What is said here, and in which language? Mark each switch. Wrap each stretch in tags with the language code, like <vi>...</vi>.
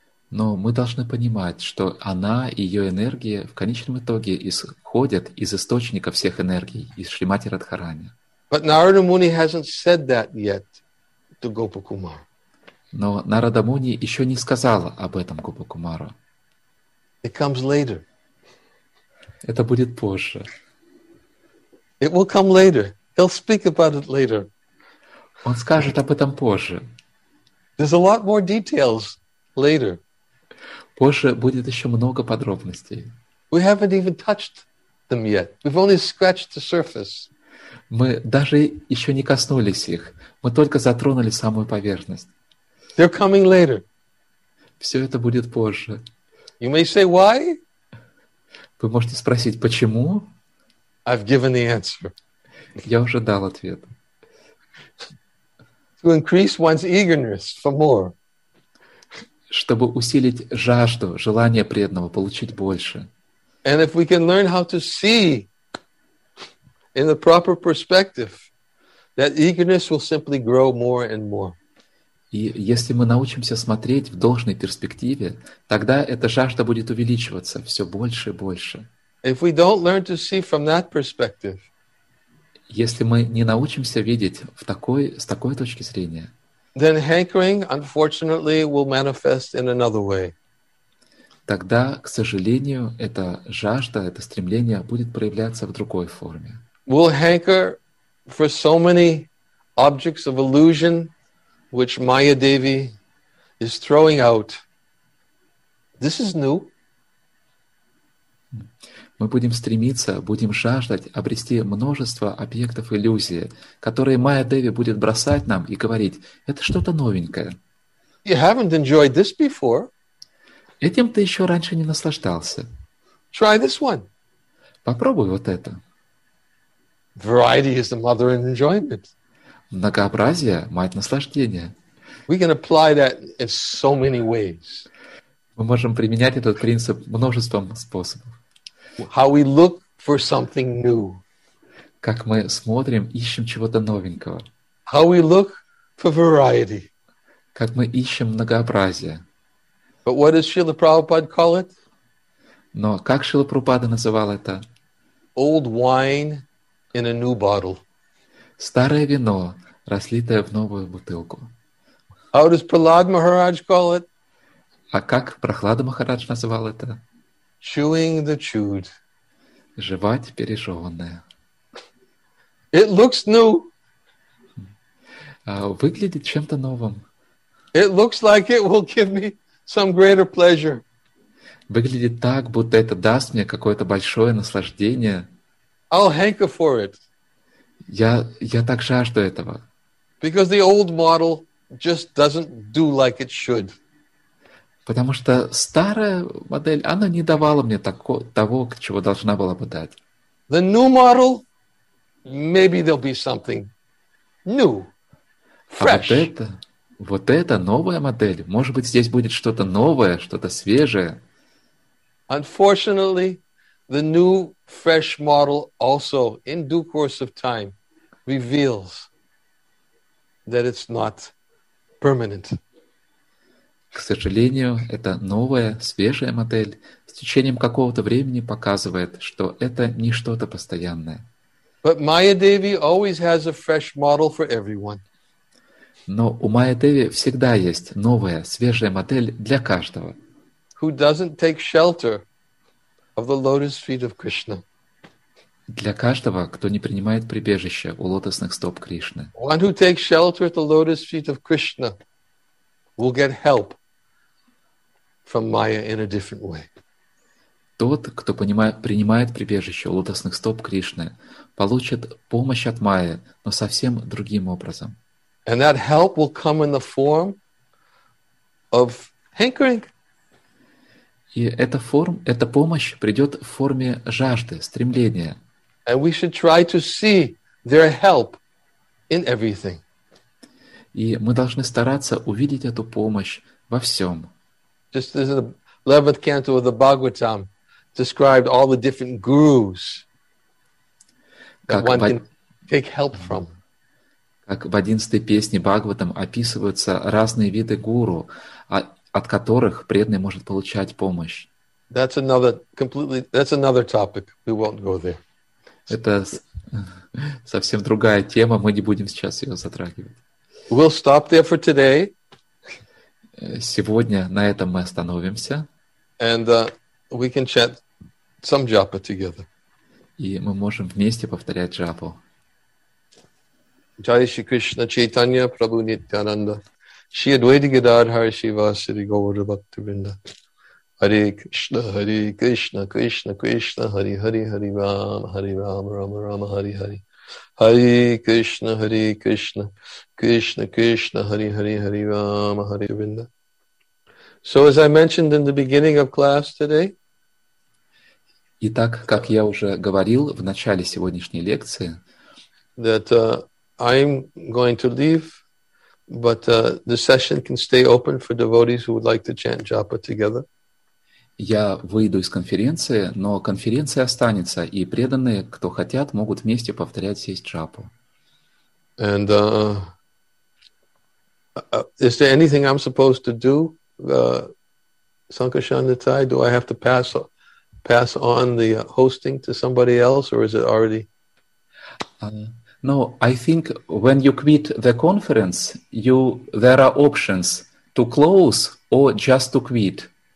<ru>Но мы должны понимать, что она и ее энергии в конечном итоге исходят из источника всех энергий, из Шримати Радхарани.</ru> <en>But Narada Muni hasn't said that yet. To Gopa Kumar.</en> <ru>Но Нарада Муни еще не сказал об этом Гопа Кумару.</ru> <en>It comes later.</en> <ru>Это будет позже.</ru> <en>It will come later. He'll speak about it later.</en> <ru>Он скажет об этом позже.</ru> <en>There's a lot more details later.</en> <ru>Позже будет еще много подробностей.</ru> <en>We haven't even touched them yet. We've only scratched the surface.</en> <ru>Мы даже еще не коснулись их. Мы только затронули самую поверхность.</ru> <en>They're coming later.</en> <ru>Все это будет позже.</ru> <en>You may say why?</en> <ru>Вы можете спросить, почему?</ru> <en>I've given the answer.</en> <ru>Я уже дал ответ.</ru> <en>To increase one's eagerness for more.</en> <ru>Чтобы усилить жажду, желание преданного получить больше.</ru> <en>And if we can learn how to see in the proper perspective, that eagerness will simply grow more and more.</en> <ru>И если мы научимся смотреть в должной перспективе, тогда эта жажда будет увеличиваться все больше и больше.</ru> <en>If we don't learn to see from that perspective,</en> <ru>если мы не научимся видеть в такой, с такой точки зрения,</ru> <en>then hankering, unfortunately, will manifest in another way.</en> <ru>Тогда, к сожалению, эта жажда, это стремление будет проявляться в другой форме.</ru> <en>We'll hanker for so many objects of illusion which Maya Devi is throwing out This is new.</en> <ru>Мы будем стремиться, будем жаждать обрести множество объектов иллюзии, которые Майя Деви будет бросать нам и говорить: это что-то новенькое.</ru> <en>You haven't enjoyed this before.</en> <ru>Этим ты еще раньше не наслаждался.</ru> <en>Try this one.</en> <ru>Попробуй вот это.</ru> <en>Variety is the mother of enjoyment.</en> <ru>Многообразие – мать наслаждения.</ru> <en>We can apply that in so many ways.</en> <ru>Мы можем применять этот принцип множеством способов.</ru> <en>How we look for something new.</en> <ru>Как мы смотрим, ищем чего-то новенького.</ru> <en>How we look for variety.</en> <ru>Как мы ищем многообразие.</ru> <en>But what does Srila Prabhupada call it?</en> <ru>Но как Шрила Прабхупада называл это?</ru> <en>Old wine in a new bottle.</en> <ru>Старое вино, раслитое в новую бутылку.</ru> <en>How does Prahlad Maharaj call it?</en> <ru>А как Прахлада Махарадж называл это?</ru> <en>Chewing the chewed.</en> <ru>Жевать пережеванное.</ru> <en>It looks new.</en> <ru>Выглядит чем-то новым.</ru> <en>It looks like it will give me some greater pleasure.</en> <ru>Выглядит так, будто это даст мне какое-то большое наслаждение.</ru> <en>I'll hanker for it.</en> <ru>Я так жажду этого.</ru> <en>Because the old model just doesn't do like it should.</en> <ru>Потому что старая модель, она не давала мне того, чего должна была бы дать.</ru> <en>The new model, maybe there'll be something new, fresh.</en> <ru>А вот это новая модель, может быть, здесь будет что-то новое, что-то свежее.</ru> <en>Unfortunately, the new fresh model also, in due course of time, reveals that it's not permanent.</en> <ru>К сожалению, эта новая, свежая модель с течением какого-то времени показывает, что это не что-то постоянное.</ru> <en>But Maya Devi always has a fresh model for everyone.</en> <ru>Но у Майя Деви всегда есть новая, свежая модель для каждого.</ru> <en>Who doesn't take shelter of the lotus feet of Krishna.</en> <ru>Для каждого, кто не принимает прибежище у лотосных стоп Кришны.</ru> <en>One who takes shelter at the lotus feet of Krishna will get help from Maya in a different way.</en> <ru>Тот, кто принимает прибежище у лотосных стоп Кришны, получит помощь от Майи, но совсем другим образом.</ru> <en>And that help will come in the form of hankering.</en> <ru>И эта помощь придет в форме жажды, стремления.</ru> <en>And we should try to see their help in everything.</en> <ru>И мы должны стараться увидеть эту помощь во всем.</ru> <en>Just as the 11th canto of the Bhagavatam described all the different gurus that one can take help from.</en> <ru>Как в 11-й песне Бхагаватам описываются разные виды гуру, от которых преданный может получать помощь.</ru> <en>That's another topic. We won't go there.</en> <ru>Это совсем другая тема, мы не будем сейчас ее затрагивать.</ru> <en>We'll stop there for today.</en> <ru>Сегодня на этом мы остановимся.</ru> <en>And we can chant some japa together.</en> <ru>И мы можем вместе повторять джапу.</ru> <sa>Jai Shri Krishna Chaitanya Prabhu Nityananda Shri Advaita Gadadhara Srivastava Gaura Bhaktivinoda Hare Krishna Hare Krishna Krishna Krishna Hare Hare Hare Rama Hare Rama Rama Rama Hare Hare Hare Krishna Hare Krishna Krishna Krishna Hare Hare Hare Rama Hare Vinda.</sa> <en>So as I mentioned in the beginning of class today,</en> <ru>итак, как я уже говорил в начале сегодняшней лекции,</ru> <en>that I'm going to leave, but the session can stay open for devotees who would like to chant japa together.</en> <ru>Я выйду из конференции, но конференция останется, и преданные, кто хотят, могут вместе повторять сесть джапу.</ru> <en>And is there anything I'm supposed to do, Sankarshanatai? Do I have to pass on the hosting to somebody else, or is it already? No, I think when you quit the conference, there are options to close or just to quit.</en>